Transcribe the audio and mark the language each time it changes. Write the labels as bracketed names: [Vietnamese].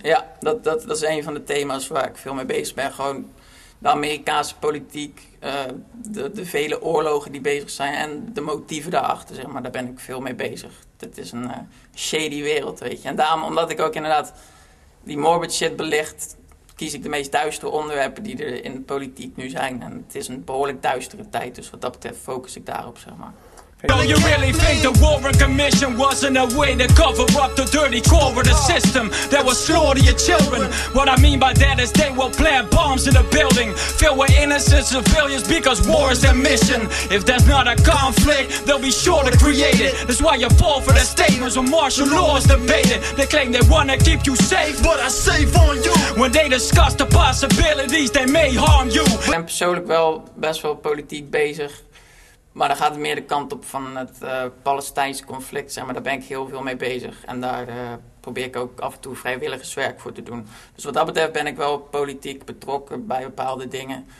[Dutch] Ja, dat is een van de thema's waar ik veel mee bezig ben. Gewoon de Amerikaanse politiek, de vele oorlogen die bezig zijn en de motieven daarachter, zeg maar. Daar ben ik veel mee bezig. Het is een shady wereld, weet je. En daarom, omdat ik ook inderdaad die morbid shit belicht, kies ik de meest duistere onderwerpen die er in de politiek nu zijn. En het is een behoorlijk duistere tijd, dus wat dat betreft focus ik daarop, zeg maar. [English] Do you really think the Warren Commission wasn't a way to cover up the dirty core of the system that was slaughtering your children? What I mean by that is they will plant bombs in a building filled with innocent civilians because war is their mission. If there's not a conflict, they'll be sure to create it. That's why you fall for the statements when martial law is debated. They claim they want to keep you safe, but I save on you. When they discuss the possibilities, they may harm you. [Dutch] Ik ben persoonlijk wel best wel politiek bezig. Maar dan gaat het meer de kant op van het Palestijnse conflict, zeg maar. Daar ben ik heel veel mee bezig. En daar probeer ik ook af en toe vrijwilligerswerk voor te doen. Dus wat dat betreft ben ik wel politiek betrokken bij bepaalde dingen.